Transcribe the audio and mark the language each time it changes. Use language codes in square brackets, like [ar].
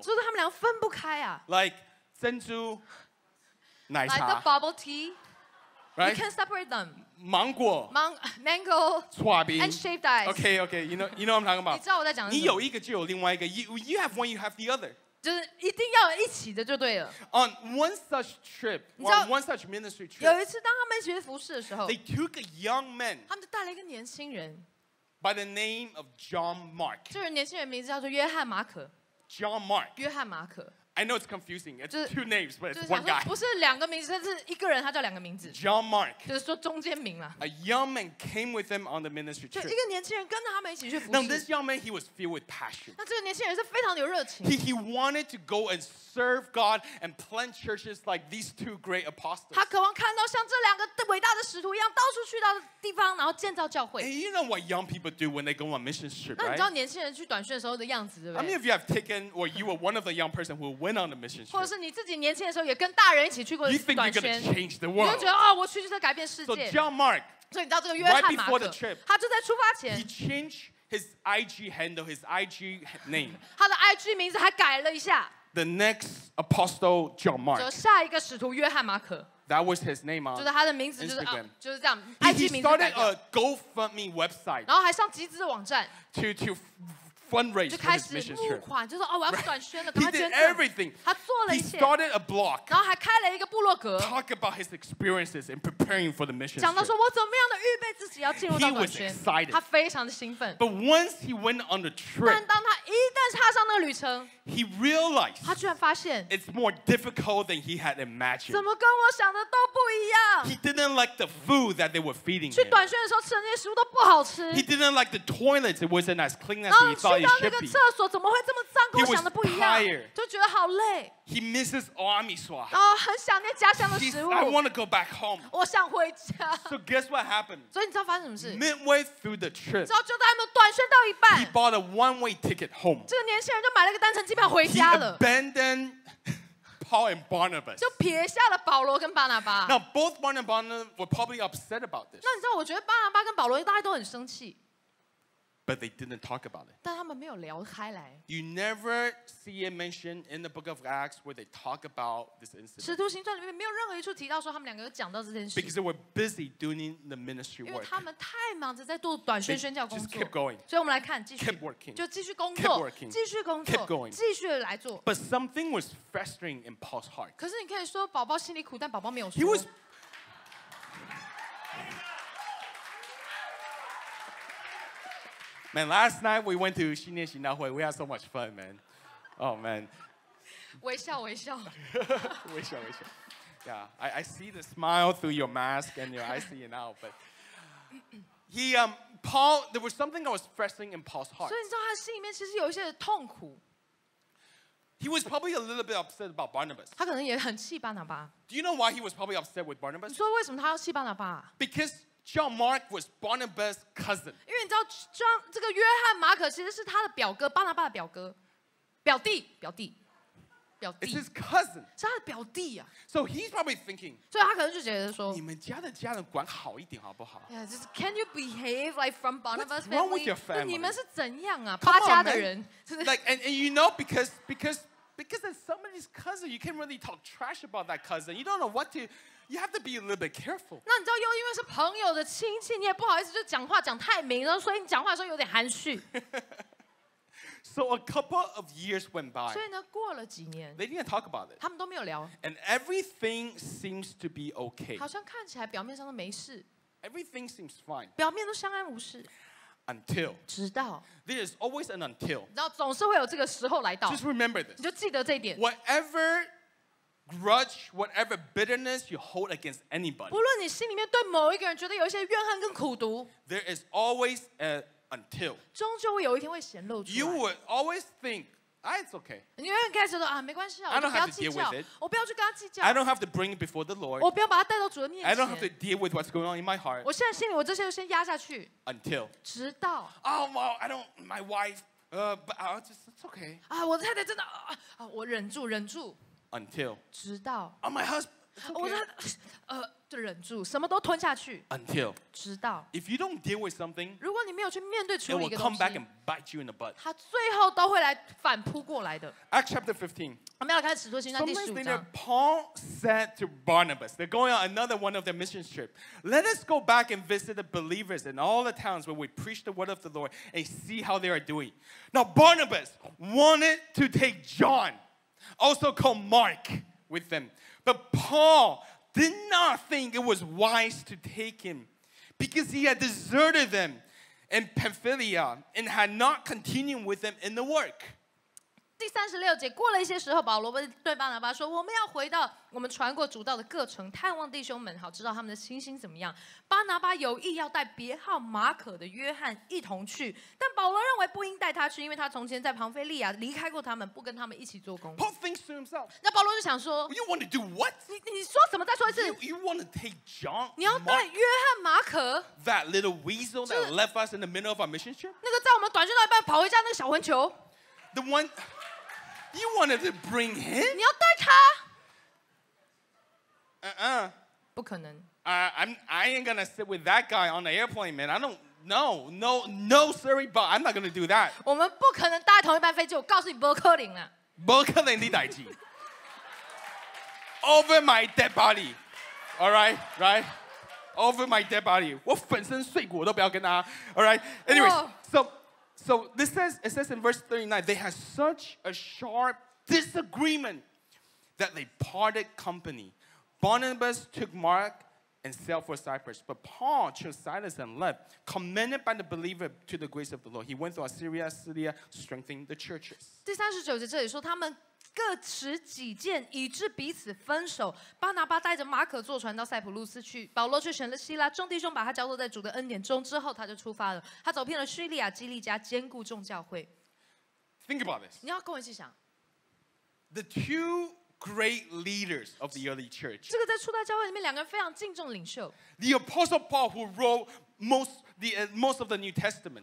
[zh] 就是他们俩分不开啊。 Like 珍珠奶茶。 [en] Like the bubble tea. Right? You can separate them. [zh] 芒果 [en] mango, [zh] 刷冰 [en] and shaved ice. Okay, okay, you know what I'm talking about. [zh] 你知道我在讲什么？你有一个就有另外一个。 [en] You have one, you have the other. [zh] 就是一定要一起的就对了。 [en] On one such trip, on one such ministry trip, [zh] 有一次当他们一起服侍的时候 [en] ，they took a young man. [zh] 他们就带了一个年轻人 [en] ，by the name of John Mark. [zh] 这个年轻人名字叫做约翰马可。 [en] John Mark. [zh] 约翰马可。 [en] I know it's confusing. It's two names, but it's one guy. [zh] 不是两个名字，但是一个人，他叫两个名字。 [en] John Mark. [zh] 就是说中间名了。 [en] A young man came with them on the ministry trip. [zh] 就一个年轻人跟着他们一起去服侍。 [en] Now this young man, he was filled with passion. [zh] 那这个年轻人是非常有热情。 [en] He wanted to go and serve God and plant churches like these two great apostles. [zh] 他渴望看到像这两个伟大的使徒一样，到处去到地方，然后建造教会。 [en] And you know what young people do when they go on mission trip, right? [zh] 那你知道年轻人去短宣的时候的样子，对不对？ [en] How many of you have taken, or you were one of the young person who went on the mission trip? [zh] 或者是你自己年轻的时候也跟大人一起去过短宣？ [en] You think you're going to change the world? [zh] 你就觉得啊，我去就是改变世界。 [en] So John Mark, [zh] 所以你知道这个约翰马可， [en] right before the trip, [zh] 他就在出发前， [en] he changed his IG handle, his IG name. [zh] 他的 IG 名字还改了一下。 [en] The next apostle John Mark. [zh] 就下一个使徒约翰马可。 [en] That was his name on Instagram. [zh] 就是他的名字，就是这样。 IG 名字改掉。 [en] He started a GoFundMe website. [zh] 然后还上集资的网站。 [en] To fundraise for his mission trip. [zh] 就开始募款，就说哦，我要去短宣了。 [en] He did everything. [zh] 他做了一切。 [en] He started a blog. [zh] 然后还开了一个部落格。 [en] Talk about his experiences in preparing for the mission. [zh] 讲到说我怎么样的预备自己要进入到短宣。 [en] He was excited. [zh] 他非常的兴奋。 [en] But once he went on the trip. [zh] 但当他一旦踏上那个旅程。 [en] He realized [zh] 他居然发现 [en] it's more difficult than he had imagined. [zh] 怎么跟我想的都不一样？ [en] He didn't like the food that they were feeding him. [zh] 去短宣的时候吃的那些食物都不好吃。 [en] He didn't like the toilets. It wasn't as clean as he thought it should be. [zh] 然后去到那个厕所怎么会这么脏？跟我想的不一样。 [en] He was tired. [zh] 就觉得好累。 [en] He misses army swag. [zh] 哦，很想念家乡的食物。 [en] I want to go back home. [zh] 我想回家。 [en] So guess what happened? [zh] 所以你知道发生什么事？ [en] Midway through the trip. [zh] 之后就在他们短宣到一半。 [en] He bought a one-way ticket home. [zh] 这个年轻人就买了一个单程机。 [en] He abandoned Paul and Barnabas. [zh] 就撇下了保罗跟巴拿巴。 [en] Now both Paul and Barnabas were probably upset about this. [zh] 那你知道，我觉得巴拿巴跟保罗大概都很生气。 [en] But they didn't talk about it. [zh] 但他们没有聊开来。 [en] You never see it mentioned in the Book of Acts where they talk about this incident. [zh] 使徒行传里面没有任何一处提到说他们两个有讲到这件事。 [en] Because they were busy doing the ministry work. [zh] 因为他们太忙着在做短宣宣教工作。 [en] Just keep going. [zh] 所以我们来看，继续。 [en] Keep working. [zh] 就继续工作。 [en] Keep working. [zh] 继续工作。 [en] Keep going. [zh] 继续来做。 [en] But something was festering in Paul's heart. [zh] 可是你可以说宝宝心里苦，但宝宝没有说。 [en] He was Man, last night we went to 新年行道会 We had so much fun, man. Oh, man. [zh] 微笑微笑微笑微笑 [en] Yeah, I see the smile through your mask and your eyes see it now. But he, Paul, there was something that was pressing in Paul's heart. [zh] 所以你知道他心里面其实有一些痛苦 [en] He was probably a little bit upset about Barnabas. [zh] 他可能也很气巴拿巴 [en] Do you know why he was probably upset with Barnabas? [zh] 你说为什么他要气巴拿巴 [en] Because John Mark was Barnabas' cousin. [zh] 因为你知道，这个约翰马可其实是他的表哥，巴拿巴的表哥，表弟。 [en] It's his cousin. [zh] 是他的表弟呀。 [en] So he's probably thinking. [zh] 所以他可能就觉得说，你们家的家人管好一点好不好 [en] ？Yeah, just can you behave like from Barnabas' family? What's wrong with your family? [zh] 你们是怎样啊？巴家的人。 [en] Like and you know because it's somebody's cousin, you can't really talk trash about that cousin. You don't know what to. You have to be a little bit careful. [zh] 那你知道又因为是朋友的亲戚，你也不好意思就讲话讲太明了，所以你讲话的时候有点含蓄。 [en] So a couple of years went by. [zh] 所以呢，过了几年 [en] ，They didn't talk about it. [zh] 他们都没有聊。 [en] And everything seems to be okay. [zh] 好像看起来表面上都没事。 [en] Everything seems fine. [zh] 表面都相安无事。 [en] Until. [zh] 直到。 [en] There is always an until. [zh] 然后总是会有这个时候来到。 [en] Just remember this. [zh] 你就记得这一点。 [en] Whatever. Grudge whatever bitterness you hold against anybody. [zh] 不论你心里面对某一个人觉得有一些怨恨跟苦毒 [en] there is always a until. [zh] 终究有一天会显露出来 [en] You would always think, ah, it's okay. [zh] 你永远开始说啊，没关系啊，我不要计较，我不要去跟他计较。 [en] I don't have to bring it before the Lord. [zh] 我不要把它带到主的面前。 [en] I don't have to deal with what's going on in my heart. [zh] 我现在心里，我这些都先压下去。 [en] Until. [zh] 直到。 [en] Oh, well, I don't. My wife, but I'll just. It's okay. [zh] 啊，我太太真的啊，我忍住，忍住。 [en] Until, [zh] 直到 [en] Oh, my husband, [zh] 我说、就忍住，什么都吞下去。 [en] Until [zh] 直到 [en] if you don't deal with something， [zh] 如果你没有去面对处理一个东西 [en] ，it will come back and bite you in the butt。 [zh] 它最后都会来反扑过来的。 [en] Acts chapter 15。 [zh] 我们要开始使徒行传第十五章。 [en] Paul said to Barnabas, they're going on another one of their mission trip. Let us go back and visit the believers in all the towns where we preach the word of the Lord and see how they are doing. Now Barnabas wanted to take John, also called Mark, with them, but Paul did not think it was wise to take him because he had deserted them in Pamphylia and had not continued with them in the work. [zh] 第三十六节，过了一些时候，保罗对巴拿巴说：“我们要回到我们传过主道的各城，探望弟兄们，好知道他们的情形怎么样。” 巴拿巴有意要带别号马可的约翰一同去，但保罗认为不应带他去，因为他从前在庞菲利亚离开过他们，不跟他们一起做工。 [en] Paul thinks to himself， [zh] 那保罗就想说 [en] ：“You want to do what？ [zh] 你说什么？再说一次 [en] ？You want to take John？ [zh] 你要带约翰马可 [en] ？That little weasel that left us in the middle of our mission trip？ [zh] 那个在我们短宣道一半跑回家那个小混球 [en] ？The one。” You wanted to bring him? [zh] 你要带他？ [en] Uh-uh. [zh] 不可能。 [en] I ain't gonna sit with that guy on the airplane, man. I don't know. No, no, sorry, but I'm not gonna do that. [zh] 我们不可能搭同一班飞机。我告诉你，不可能了。不可能的代志。 [en] Over my dead body. All right, right. Over my dead body. [zh] 我粉身碎骨都不要跟他。 [en] All right. Anyways, So this says, it says in verse 39, they had such a sharp disagreement that they parted company. Barnabas took Mark and sailed for Cyprus. But Paul chose Silas and left, commended by the believer to the grace of the Lord. He went through Syria, Cilicia, strengthening the churches. [zh] 第三十九节这里说他们各持己见，以致彼此分手。巴拿巴带着马可坐船到塞浦路斯去，保罗却选了希拉。众弟兄把他交托在主的恩典中，之后他就出发了。他走遍了叙利亚、基利加，兼顾众教会。 [en] Think about this. [zh] 你要跟我一起想。 [en] The two great leaders of the early church. [zh] 这个在初代教会里面两个非常敬重领袖。 [en] The apostle Paul, who wrote most of the New Testament.